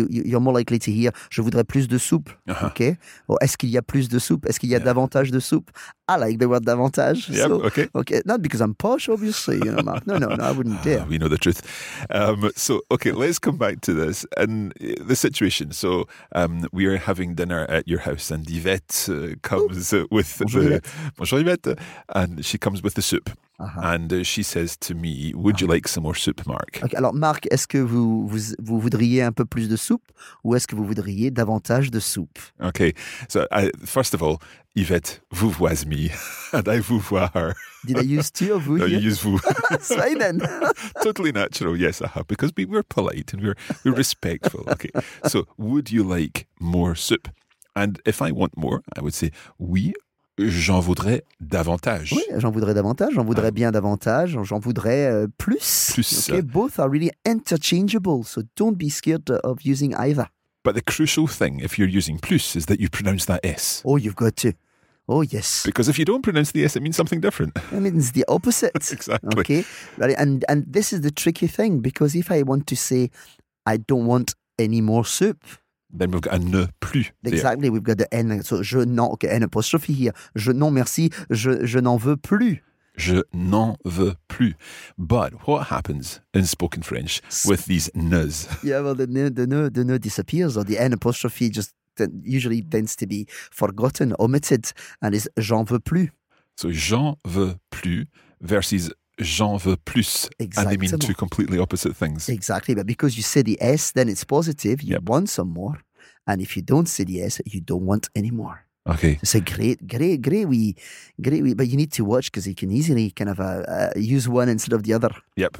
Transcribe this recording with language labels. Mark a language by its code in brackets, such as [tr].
[en] You're more likely to hear, [fr] je voudrais plus de soupe. [en] Uh-huh. Okay. Or, [fr] est-ce qu'il y a plus de soupe? Est-ce qu'il y a davantage de soupe? [en] I like the word davantage. Yep, so, okay. Not because I'm posh, obviously, you know, Mark. No, I wouldn't dare. We know the truth. Let's come back to this. And the situation. So we are having dinner at your house and Yvette comes with [fr] Bonjour, Yvette. [en] And she comes with the soup. Uh-huh. And she says to me, would you like some more soup, Mark? Okay, [fr] alors, Mark, est-ce que vous voudriez un peu plus de soupe ou est-ce que vous voudriez davantage de soupe? [en] Okay, so first of all, Yvette vouvoise me and I vouvoie her. Did I use tu or vous? No, you use vous. That's right then. Totally natural, yes, uh-huh, because we're polite and we're respectful. Okay, so would you like more soup? And if I want more, I would say oui. [fr] J'en voudrais davantage. Oui, j'en voudrais davantage, j'en voudrais bien davantage, j'en voudrais plus. Plus. [en] Okay, both are really interchangeable, so don't be scared of using either. But the crucial thing, if you're using plus, is that you pronounce that S. Oh, you've got to. Oh, yes. Because if you don't pronounce the S, it means something different. It means the opposite. Exactly. Okay, right, and this is the tricky thing, because if I want to say, I don't want any more soup... Then we've got a ne plus. Exactly, there. We've got the N. So [fr] je n'en, [en] okay, N apostrophe here. [fr] Je non merci, je n'en veux plus. Je n'en veux plus. [en] But what happens in spoken French with these nes? Yeah, well, the ne disappears, or the N apostrophe just usually tends to be forgotten, omitted, and is [fr] j'en veux plus. [en] So [fr] j'en veux plus [en] versus j'en veux plus. Exactly. And they mean two completely opposite things. Exactly. But because you say the S, then it's positive. You want some more. And if you don't say the S, you don't want any more. Okay. It's a great wee. But you need to watch, because you can easily kind of use one instead of the other. Yep.